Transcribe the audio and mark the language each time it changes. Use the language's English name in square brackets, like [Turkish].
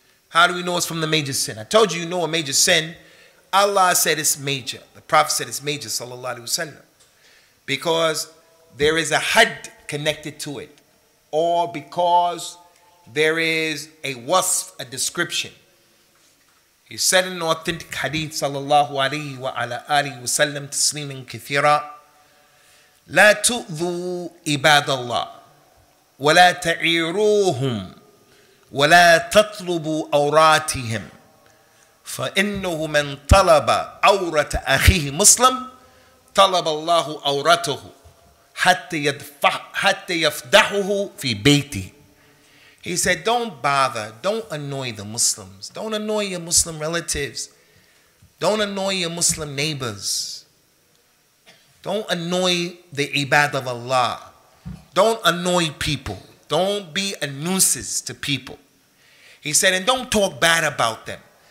[English] How do we know it's from the major sin? I told you, you know a major sin. Allah said it's major. The Prophet said it's major, sallallahu alaihi wasallam, because there is a had connected to it. Or because there is a wasf, a description. He said in an authentic hadith, [Arabic] sallallahu alayhi wa ala alihi wa sallam, tasliman kathira, لا تؤذوا عباد الله ولا تعيروهم ولا تطلبوا أوراتهم فإنه من طلب أورة أخيه مسلم طلب الله أورته حتى يفضحه في بيته. [English] He said, don't bother, don't annoy the Muslims, don't annoy your Muslim relatives, don't annoy your Muslim neighbors. Don't annoy the ibad of Allah. Don't annoy people. Don't be a nuisance to people. He said, and don't talk bad about them.